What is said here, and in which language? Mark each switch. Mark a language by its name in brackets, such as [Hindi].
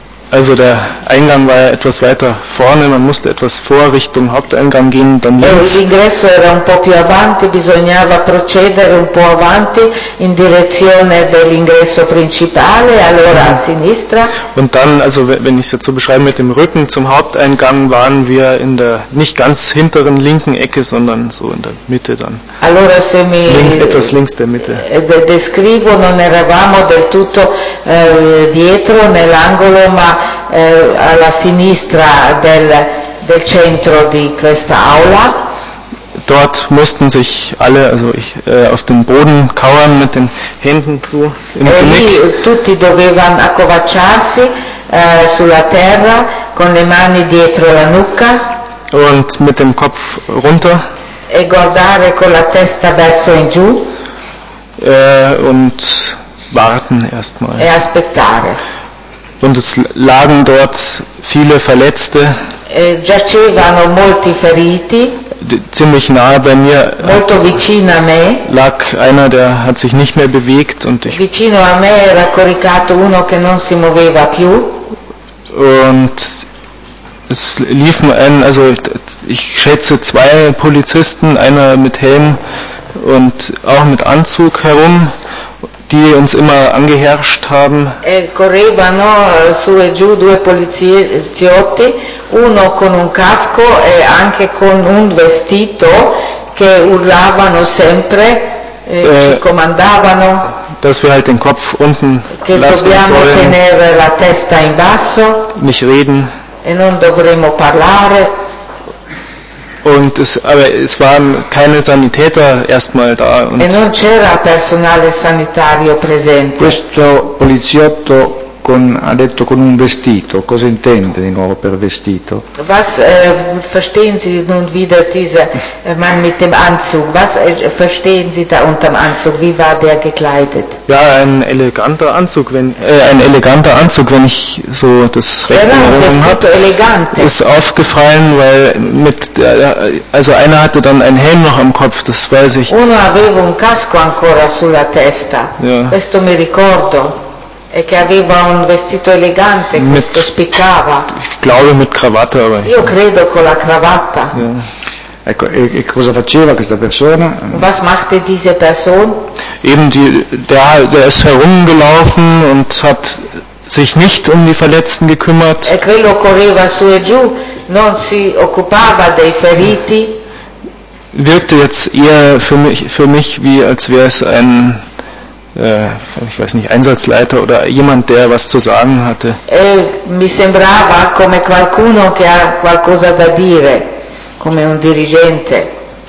[German] Also der Eingang war ja etwas weiter vorne, man musste etwas vor Richtung Haupteingang gehen, dann links. [Italian] L'ingresso era un po' più avanti, bisognava procedere un po' avanti in direzione dell'ingresso principale, allora a sinistra. [German] Und dann, also wenn ich es jetzt so beschreibe, mit dem Rücken zum Haupteingang waren wir in der nicht ganz hinteren linken Ecke, sondern so in der Mitte dann. [Italian] Allora se mi [German] etwas links der Mitte. [Italian] Descrivo, non eravamo del tutto dietro nell'angolo, ma alla sinistra del centro di questa aula. [German] Dort mussten sich alle, also ich, auf dem Boden kauern mit den Händen zu im Genick. [Italian] Tutti dovevano accovacciarsi sulla terra con le mani dietro la nuca. [German] Und mit dem Kopf runter. [Italian] e guardare con la testa verso in giù. [German] Und warten erstmal. [Italian] E aspettare. [German] Und es lagen dort viele Verletzte. [Italian] Giacevano molti feriti. [German] Ziemlich nahe bei mir. [Italian] Molto vicino a me. [German] Lag einer, der hat sich nicht mehr bewegt und ich. [Italian] Vicino a me era coricato uno che non si muoveva più. [German] Und es liefen ein, also ich schätze zwei Polizisten, einer mit Helm und auch mit Anzug herum, die uns immer angeherrscht haben. [Italian] E correvano su e giù due poliziotti, uno con un casco e anche con un vestito, che urlavano sempre, ci comandavano. [German] Dass wir halt den Kopf unten [Italian] che [German] lassen [Italian] dobbiamo [German] sollen. [Italian] Tenere la testa in basso. [German] Nicht reden. [Italian] E non dovremmo parlare. [German] Und es, aber es waren keine Sanitäter erstmal da. Und [Italian] e non c'era personale sanitario presente. Questo poliziotto con, ha detto con un vestito. Cosa intende di nuovo per vestito? [German] Was verstehen Sie nun wieder dieser Mann mit dem Anzug? Was verstehen Sie da unter dem Anzug? Wie war der gekleidet? Ja, ein eleganter Anzug, wenn ich so das recht in Erinnerung habe. Elegante. Ist aufgefallen, weil mit der, also einer hatte dann einen Helm noch am Kopf, das weiß ich. [Italian] Uno aveva un casco ancora sulla testa. [German] Ja. [Italian] Questo mi ricordo. E che aveva un vestito elegante, [German] mit, [Italian] questo spiccava. [German] Ich glaube mit Krawatte, aber [Italian] io credo con la cravatta. Yeah. Ecco, e cosa faceva questa persona? [German] Was machte diese Person? Eben die, der ist herumgelaufen und hat sich nicht um die Verletzten gekümmert. [Italian] E quello correva su e giù, non si occupava dei feriti. [German] Wirkte jetzt eher für mich wie als wäre es ein ich weiß nicht, Einsatzleiter oder jemand, der was zu sagen hatte. [Italian] Mi sembrava come qualcuno che ha qualcosa da dire, come un dirigente.